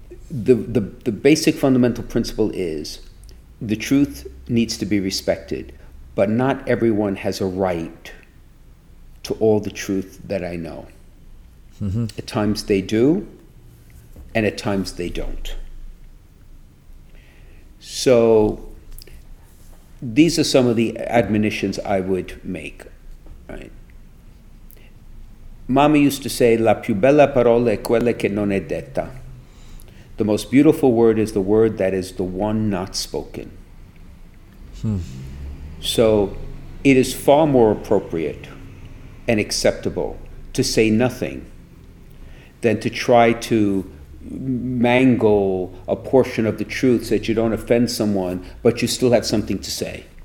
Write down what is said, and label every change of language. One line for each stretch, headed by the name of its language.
English: The basic fundamental principle is the truth needs to be respected, but not everyone has a right to all the truth that I know. At times they do, and at times they don't. So these are some of the admonitions I would make, right? Mama used to say,
Italian: la più bella parola è quella che non è detta.
English: The most beautiful word is the word that is the one not spoken. So it is far more appropriate and acceptable to say nothing than to try to mangle a portion of the truth so that you don't offend someone, but you still have something to say.